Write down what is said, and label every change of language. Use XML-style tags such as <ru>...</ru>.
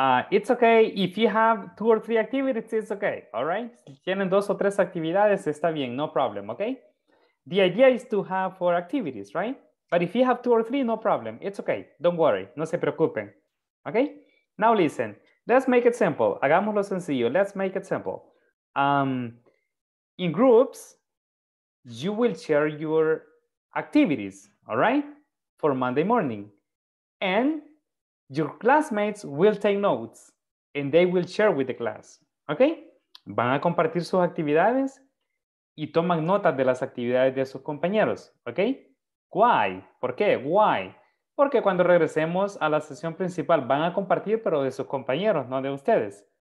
<en>It's okay if you have two or three activities, it's okay. All right?</en> <es>Si tienen dos o tres actividades, está bien.</es> <en>No problem, okay? The idea is to have four activities, right? But if you have two or three, no problem. It's okay. Don't worry.</en> <es>No se preocupen.</es> <en>Okay? Now listen. Let's make it simple.</en> <es>Hagámoslo sencillo.</es> <en>Let's make it simple. In groups, you will share your activities, all right, for Monday morning. And your classmates will take notes and they will share with the class, okay?</en> <es>Van a compartir sus actividades y toman notas de las actividades de sus compañeros, okay? Why? ¿Por qué? Why? Porque cuando regresemos a la sesión principal, van a compartir, pero de sus compañeros, no de ustedes.</es>